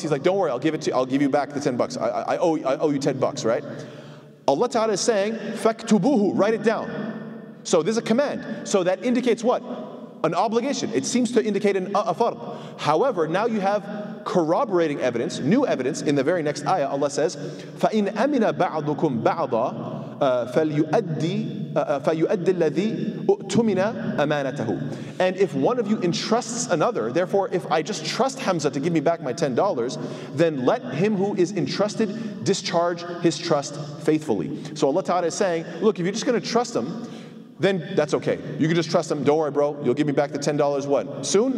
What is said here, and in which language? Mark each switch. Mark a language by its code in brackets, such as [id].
[en] He's like, don't worry, I'll give you back the $10. I owe you $10, right? Allah Ta'ala is saying, فَاكْتُبُوهُ, write it down. So this is a command. So that indicates what? An obligation. It seems to indicate a fard. However, now you have corroborating evidence, new evidence, in the very next ayah. Allah says, [ar] فَإِنْ أَمِنَ بَعْضُكُمْ بَعْضًا فَلْيُؤَدِّ الَّذِي أُؤْتُمِنَ أَمَانَتَهُ. [en] And if one of you entrusts another, therefore if I just trust Hamza to give me back my $10, then let him who is entrusted discharge his trust faithfully. So Allah Ta'ala is saying, look, if you're just going to trust him, then that's okay. You can just trust them. Don't worry, bro. You'll give me back the $10. What? Soon?